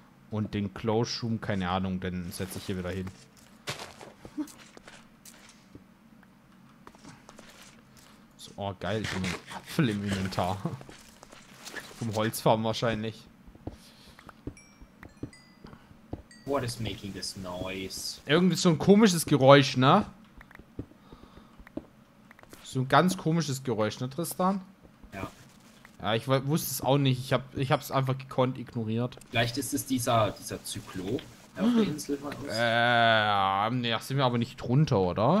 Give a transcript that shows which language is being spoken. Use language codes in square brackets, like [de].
[de] Und den Close Room, keine Ahnung, den setze ich hier wieder hin. So, oh geil, ich habe einen Apfel im Inventar. Vom Holzfarm wahrscheinlich. [en] What is making this noise? [de] Irgendwie so ein komisches Geräusch, ne? So ein ganz komisches Geräusch, ne, Tristan? Ja, ich wusste es auch nicht. Ich hab's einfach gekonnt ignoriert. Vielleicht ist es dieser Zyklop, der auf der Insel von uns. Ja, sind wir aber nicht drunter, oder?